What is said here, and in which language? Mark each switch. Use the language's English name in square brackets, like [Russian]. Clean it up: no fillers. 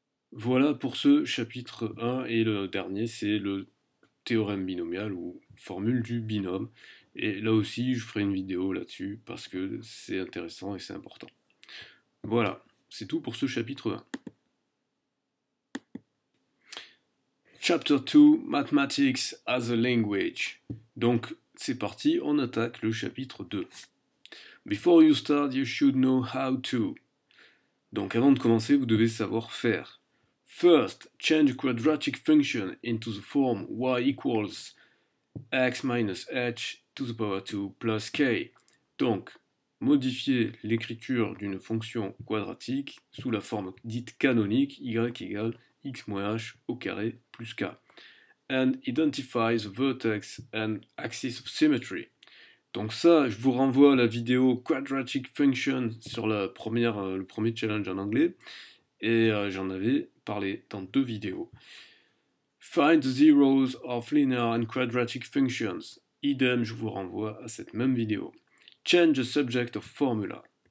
[French] Voilà pour ce chapitre 1, et le dernier, c'est le théorème binomial ou formule du binôme. Et là aussi, je ferai une vidéo là-dessus parce que c'est intéressant et c'est important. Voilà, c'est tout pour ce chapitre 1. [English] Chapter 2, Mathematics as a Language. [French] Donc, c'est parti, on attaque le chapitre 2. [English] Before you start, you should know how to. [French] Donc, avant de commencer, vous devez savoir faire. [English] First, change quadratic function into the form y equals x minus h to the power 2 plus k. [French] Donc, modifier l'écriture d'une fonction quadratique sous la forme dite canonique y égale x moins h au carré plus k. [English] And identify the vertex and axis of symmetry. [French] Donc ça, je vous renvoie à la vidéo quadratic function sur le premier challenge en anglais. Et j'en avais parlé dans deux vidéos. [English] Find the zeros of linear and quadratic functions. [French] Idem, je vous renvoie à cette même vidéo. [English] Change the subject of formula.